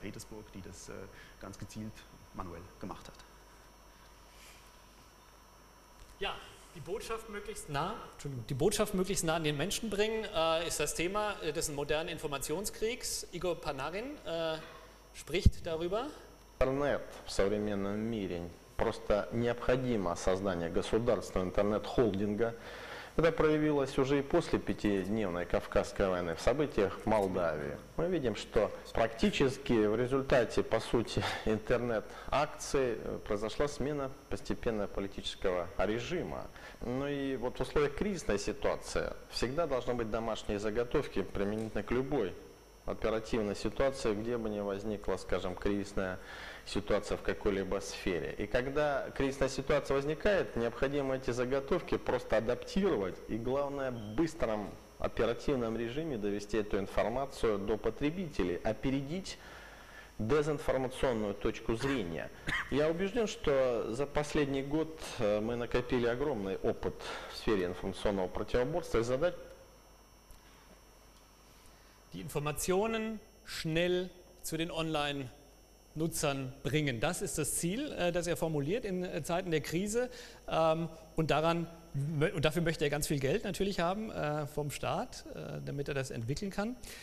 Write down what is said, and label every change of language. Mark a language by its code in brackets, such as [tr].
[de] Petersburg, die das ganz gezielt manuell gemacht hat. Ja, die Botschaft möglichst nah an den Menschen bringen, ist das Thema des modernen Informationskriegs. Igor Panarin spricht darüber. [ru] Интернет в современном мире просто необходимо создание государственного интернет-холдинга. Это проявилось уже и после пятидневной Кавказской войны в событиях в Молдавии. Мы видим, что практически в результате, по сути, интернет-акции произошла смена постепенно политического режима. Ну и вот в условиях кризисной ситуации всегда должны быть домашние заготовки применительно к любой оперативной ситуации, где бы ни возникла, скажем, кризисная ситуация в какой-либо сфере. И когда кризисная ситуация возникает, необходимо эти заготовки просто адаптировать и, главное, в быстром оперативном режиме довести эту информацию до потребителей, опередить дезинформационную точку зрения. Я убежден, что за последний год мы накопили огромный опыт в сфере информационного противоборства и задать [de] die Informationen schnell zu den Online-Nutzern bringen. Das ist das Ziel, das er formuliert in Zeiten der Krise. Und dafür möchte er ganz viel Geld natürlich haben vom Staat, damit er das entwickeln kann.